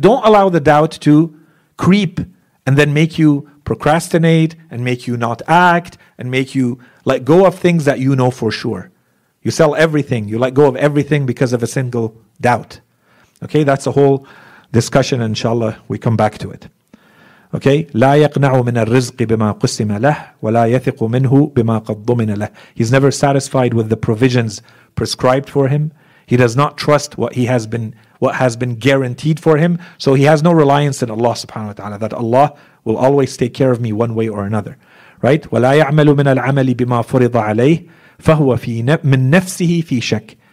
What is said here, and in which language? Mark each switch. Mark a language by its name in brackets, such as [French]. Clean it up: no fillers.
[English] Don't allow the doubt to creep and then make you procrastinate and make you not act and make you let go of things that you know for sure. You sell everything. You let go of everything because of a single doubt. Okay, that's a whole discussion. Inshallah, we come back to it. Okay? [Arabic] لا يقنع من الرزق بما قسم له ولا يثق منه بما قد ضمن له. [English] He's never satisfied with the provisions prescribed for him. He does not trust what has been guaranteed for him. So he has no reliance in Allah subhanahu wa ta'ala, that Allah will always take care of me one way or another. Right? [Arabic] وَلَا يَعْمَلُ مِنَ الْعَمَلِ بِمَا فُرِضَ عَلَيْهِ فَهُوَ فِي مِن نَفْسِهِ فِي شَكٍ.